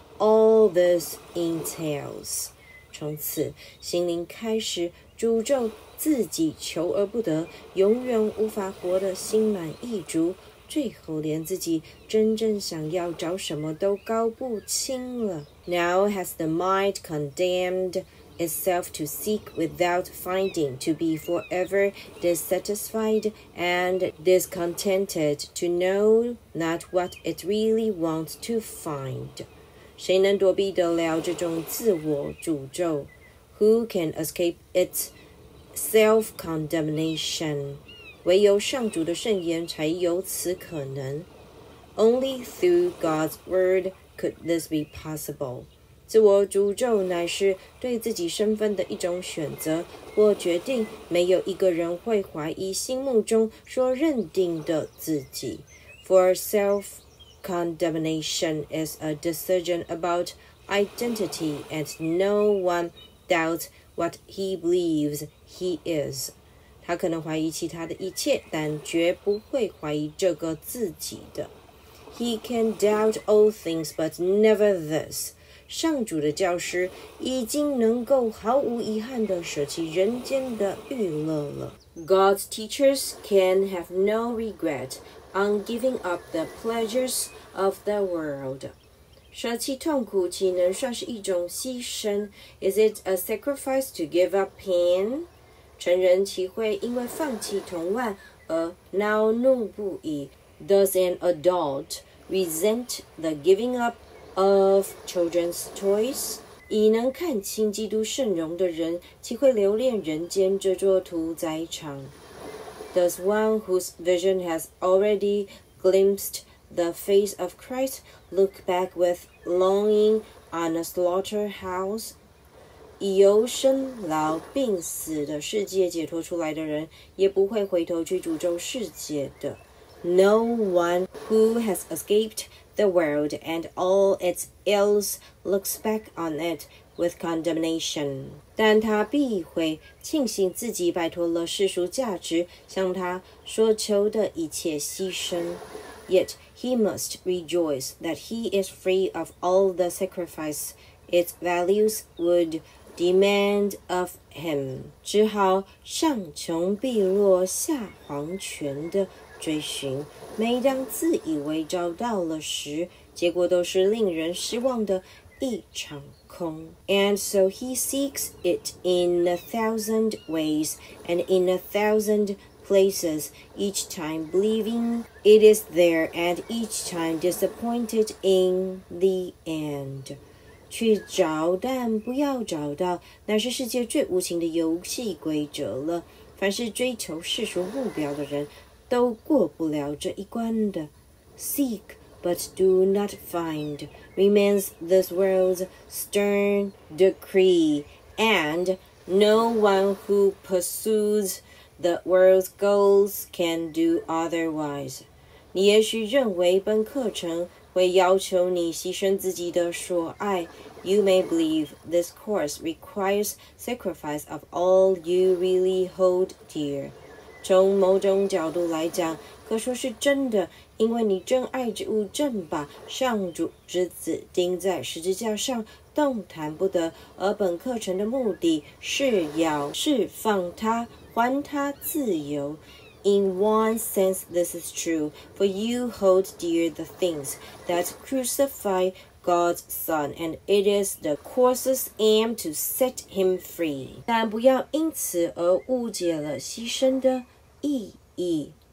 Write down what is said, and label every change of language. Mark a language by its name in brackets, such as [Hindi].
[English] All this entails. [Chinese] 从此，心灵开始诅咒自己求而不得，永远无法活得心满意足，最后连自己真正想要找什么都搞不清了。 [English] Now has the mind condemned itself to seek without finding, to be forever dissatisfied and discontented, to know not what it really wants to find. [Chinese] 谁能躲避得了这种自我诅咒？ [English] Who can escape its self-condemnation? [Chinese] 唯有上主的圣言才有此可能。 [English] Only through God's word could this be possible. [Chinese] 自我诅咒乃是对自己身份的一种选择或决定，没有一个人会怀疑心目中所认定的自己。 [English] For selfCondemnation is a decision about identity, and no one doubts what he believes he is. [Chinese] 他可能怀疑其他的一切，但绝不会怀疑这个自己的。 [English] He can doubt all things, but never this. [Chinese] 上主的教师已经能够毫无遗憾地舍弃人间的娱乐了。 [English] God's teachers can have no regret. On giving up the pleasures of the world. [Chinese] 舍弃痛苦岂能算是一种牺牲? Is it a sacrifice to give up pain? 成人岂会因为放弃痛患而恼怒不已? [English] Does an adult resent the giving up of children's toys? [Chinese] 已能看清基督圣容的人岂会留恋人间这座屠宰场? [English] Does one whose vision has already glimpsed the face of Christ look back with longing on a slaughterhouse? [Chinese] 已由生老病死的世界解脱出来的人也不会回头去诅咒世界的。 [English] No one who has escaped the world and all its ills looks back on it with condemnation. [Chinese] 但他必会庆幸自己摆脱了世俗价值向他所求的一切牺牲。 [English] Yet he must rejoice that he is free of all the sacrifice its values would demand of him. [Chinese] 只好上穷碧落下黄泉的追寻，每当自以为找到了时，结果都是令人失望的一场。 [English] And so he seeks it in a thousand ways and in a thousand places, each time believing it is there and each time disappointed in the end. [Chinese] 去找但不要找到，那是世界最无情的游戏规则了。凡是追求世俗目标的人都过不了这一关的。 [English] Seek. But do not find, remains this world's stern decree, and No one who pursues the world's goals can do otherwise. [Chinese] 你也许认为本课程会要求你牺牲自己的所爱。 [English] You may believe this course requires sacrifice of all you really hold dear. [Chinese] 从某种角度来讲，可说是真的，因为你真爱之物正把上主之子钉在十字架上，动弹不得。而本课程的目的是要释放他，还他自由。 [English] In one sense, this is true, for you hold dear the things that crucify God's Son, and it is the course's aim to set him free. [Chinese] 但不要因此而误解了牺牲的意义。